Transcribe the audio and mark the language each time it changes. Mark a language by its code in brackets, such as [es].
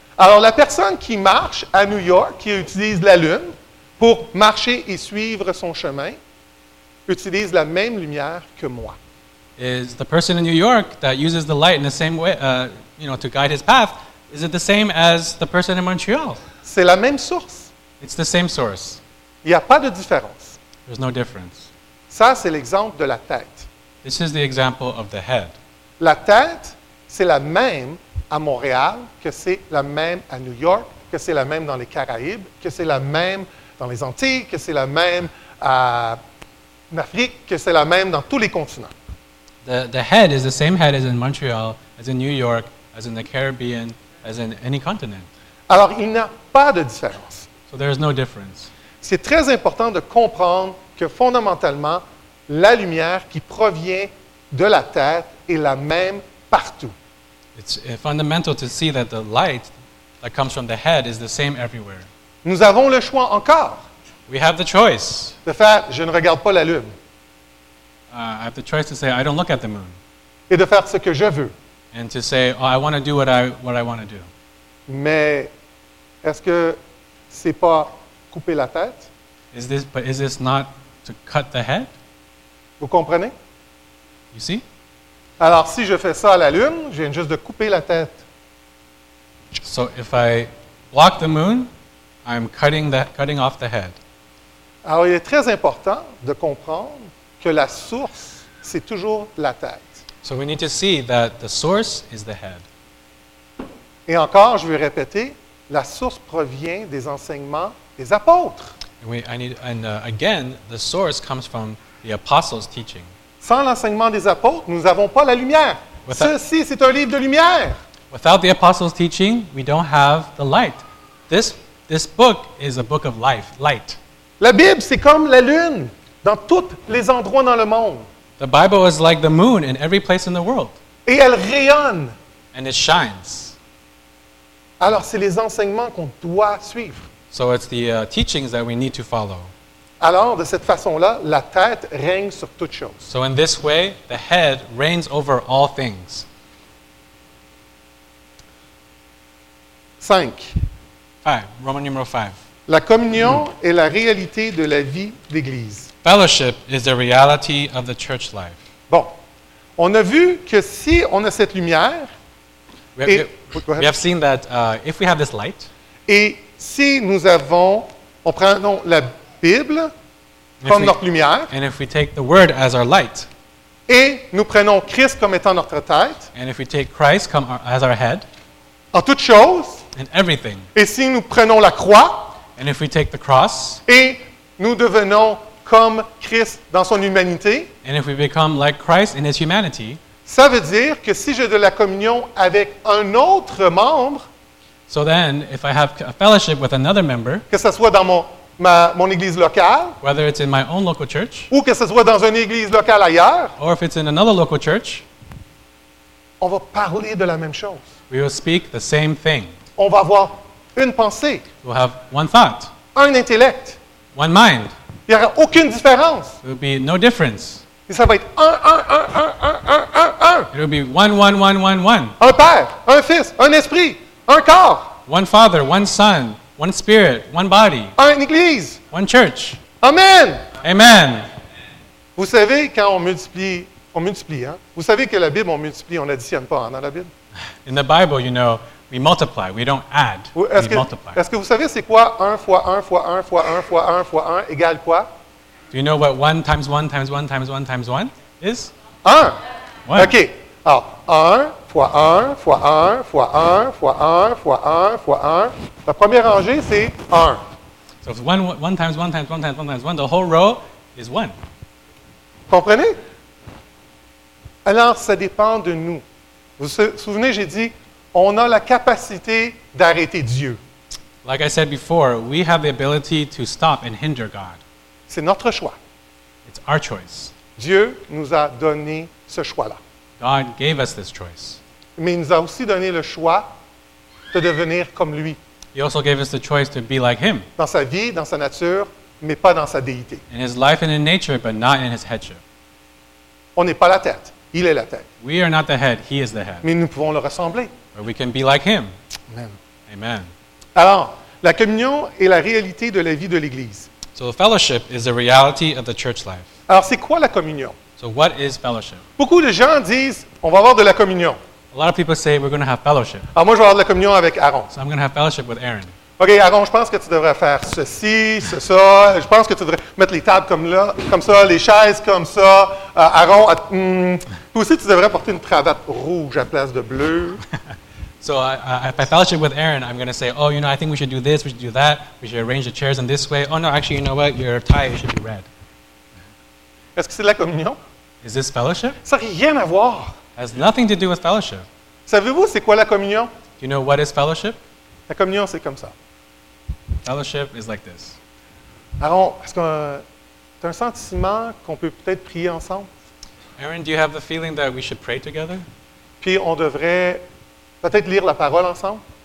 [fr] Alors la personne qui marche à New York, qui utilise la lune, pour marcher et suivre son chemin, utilise la même lumière que moi. [en] Is the person in New York that uses the light in the same way, to guide his path, is it the same as the person in Montreal? [fr] C'est la même source. [en] It's the same source. [fr] Il n'y a pas de différence. [en] There's no difference. [fr] Ça, c'est l'exemple de la tête. [en] This is the example of the head. [fr] La tête, c'est la même à Montréal, que c'est la même à New York, que c'est la même dans les Caraïbes, que c'est la même dans les Antilles, que c'est la même en Afrique, que c'est la même dans tous les continents. [en] The head is the same head as in Montreal, as in New York, as in the Caribbean, as in any continent. [fr] Alors, il n'y a pas de différence. [en] So there is no difference. [fr] C'est très important de comprendre que fondamentalement, la lumière qui provient de la tête est la même partout. [en] It's fundamental to see that the light that comes from the head is the same everywhere. [fr] Nous avons le choix encore. [en] We have the choice. [fr] De faire, je ne regarde pas la lune. [en] I have the choice to say, I don't look at the moon. [fr] Et de faire ce que je veux. [en] And to say, oh, I want to do what I want to do. [fr] Mais est-ce que c'est pas couper la tête? [en] Is this not to cut the head? [fr] Vous comprenez? [en] You see? [fr] Alors si je fais ça à la lune, je viens juste de couper la tête. [en] So if I block the moon, I'm cutting off the head. [fr] Alors, il est très important de comprendre que la source, c'est toujours la tête. [en] So we need to see that the source is the head. [fr] Et encore, je veux répéter, la source provient des enseignements des apôtres. [en] Again, the source comes from the apostles' teaching. [fr] Sans l'enseignement des apôtres, nous n'avons pas la lumière. Ceci, c'est un livre de lumière. [en] Without the apostles' teaching, we don't have the light. This book is a book of life, light. [fr] La Bible, c'est comme la lune dans tous les endroits dans le monde. [en] The Bible is like the moon in every place in the world. [fr] Et elle rayonne. [en] And it shines. [fr] Alors, c'est les enseignements qu'on doit suivre. [en] So it's the teachings that we need to follow. [fr] Alors, de cette façon-là, la tête règne sur toutes choses. [en] So in this way, the head reigns over all things. [fr] 5. Roman numéro 5. La communion est la réalité de la vie d'Église. [en] Fellowship is the reality of the church life. [fr] Bon. On a vu que si on a cette lumière, [en] we have seen that if we have this light, [fr] et si nous avons, on prend la Bible comme notre lumière, [en] and if we take the word as our light, [fr] et nous prenons Christ comme étant notre tête, [en] and if we take Christ come as our head, [fr] en toutes choses, [en] and everything, [fr] et si nous prenons la croix, [en] and if we take the cross, [fr] et nous devenons comme Christ dans son humanité, [en] and if we become like Christ in his humanity, [fr] ça veut dire que si j'ai de la communion avec un autre membre, [en] so then, if I have a fellowship with another member, [fr] que ce soit dans mon église locale, [en] whether it's in my own local church, [fr] ou que ce soit dans une église locale ailleurs, [en] or if it's in another local church, [fr] on va parler de la même chose. [en] We will speak the same thing. [fr] On va avoir une pensée. [en] We'll have one thought. [fr] Un intellect. [en] One mind. [fr] Il n'y aura aucune différence. [en] There will be no difference. [fr] Et ça va être un. [en] It will be one, one, one, one, one. [fr] Un père, un fils, un esprit, un corps. [en] One father, one son, one spirit, one body. [fr] Une église. [en] One church. [fr] Amen. [en] Amen. [fr] Vous savez, quand on multiplie, hein? Vous savez que la Bible, on multiplie, on additionne pas, hein, dans la Bible. [en] In the Bible, you know, we multiply, we don't add, multiply. [fr] Est-ce que vous savez c'est quoi 1 fois 1 fois 1 fois 1 fois 1 fois 1 égale quoi? [en] Do you know what 1 times 1 times 1 times 1 times 1 is? [fr] 1. [en] One. [fr] OK. Alors, 1 fois 1 fois 1 fois 1 fois 1 fois 1 fois 1. La première rangée, c'est 1. [en] So, if it's 1 times 1 times 1 times 1 times 1, the whole row is 1. [fr] Comprenez? Alors, ça dépend de nous. Vous vous souvenez, j'ai dit, on a la capacité d'arrêter Dieu. [en] Like I said before, we have the ability to stop and hinder God. [fr] C'est notre choix. [en] It's our choice. [fr] Dieu nous a donné ce choix-là. [en] God gave us this choice. [fr] Mais il nous a aussi donné le choix de devenir comme lui. [en] He also gave us the choice to be like him. [fr] Dans sa vie, dans sa nature, mais pas dans sa déité. [en] In his life and in nature, but not in his headship. [fr] On n'est pas la tête. Il est la tête. [en] We are not the head. He is the head. [fr] Mais nous pouvons le ressembler. [en] But we can be like him. [fr] Amen. [en] Amen. [fr] Alors, la communion est la réalité de la vie de l'Église. [en] So the fellowship is the reality of the church life. [fr] Alors, c'est quoi la communion? [en] So what is fellowship? [fr] Beaucoup de gens disent, on va avoir de la communion. [en] A lot of people say we're going to have fellowship. [fr] Alors, moi, je vais avoir de la communion avec Aaron. [en] So I'm going to have fellowship with Aaron. [fr] OK, Aaron, je pense que tu devrais faire ceci, ce, ça. Je pense que tu devrais mettre les tables comme là, comme ça, les chaises comme ça. Aaron, toi aussi, tu devrais porter une cravate rouge à place de bleu. [en] So if I fellowship with Aaron, I'm going to say, oh, you know, I think we should do this, we should do that. We should arrange the chairs in this way. Oh, no, actually, you know what? Your tie should be red. [fr] Est-ce que c'est de la communion? [en] Is this fellowship? [fr] Ça n'a rien à voir. [en] It has nothing to do with fellowship. [fr] Savez-vous c'est quoi la communion? [en] Do you know what is fellowship? [fr] La communion, c'est comme ça. [en] Fellowship is like this. [fr] Aaron, est-ce que tu as un sentiment qu'on peut peut-être prier ensemble? [en] Aaron, do you have the feeling that we should pray together? [fr] Puis on devrait peut-être lire la parole ensemble.